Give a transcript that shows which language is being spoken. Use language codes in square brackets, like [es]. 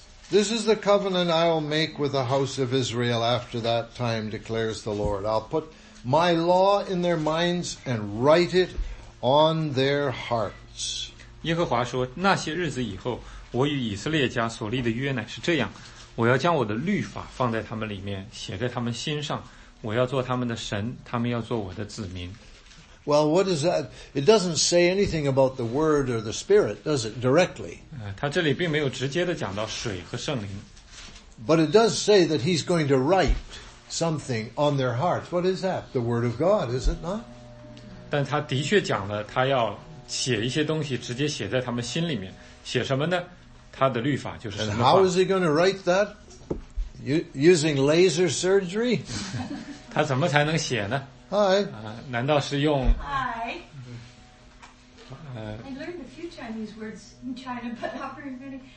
[en] This is the covenant I will make with the house of Israel after that time, declares the Lord. I'll put my law in their minds and write it on their hearts. [zh] 耶和华说，那些日子以后，我与以色列家所立的约乃是这样，我要将我的律法放在他们里面，写在他们心上，我要做他们的神，他们要做我的子民。 [en] Well, what is that? It doesn't say anything about the Word or the Spirit, does it, directly? [zh] 他这里并没有直接地讲到水和圣灵。 [en] But it does say that he's going to write something on their hearts. What is that? The Word of God, is it not? [zh] 但他的确讲了他要写一些东西直接写在他们心里面。写什么呢？他的律法就是什么话。 [en] And how is he going to write that? Using laser surgery? [zh] 他怎么才能写呢？ [en] Hi. [zh] 难道是用 [en] Hi. I learned a few Chinese words in China, but not very many.